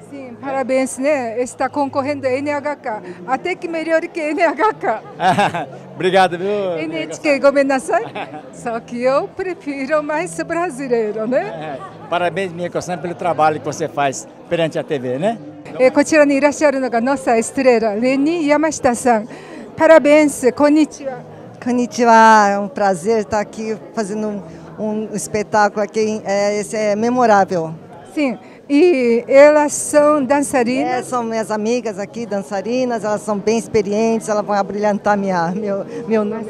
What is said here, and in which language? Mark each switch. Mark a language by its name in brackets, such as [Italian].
[Portuguese] Sim, parabéns, né? Está concorrendo a NHK. Até que melhor que a NHK. Obrigado, viu? NHK, [Japanese] gomenasai. [Portuguese] Só que eu prefiro mais brasileiro, né? Parabéns, Miyako-san, pelo trabalho que você faz perante a TV, né? [Japanese] こちらにいらっしゃるのがノサエストレラレニヤマシタさん. [Portuguese] Parabéns, [Japanese] konnichiwa. Konnichiwa, [Portuguese] é um prazer estar aqui fazendo um espetáculo aqui, esse é memorável. Sim, e elas são dançarinas? São minhas amigas aqui, dançarinas, elas são bem experientes, elas vão abrilhantar meu nome.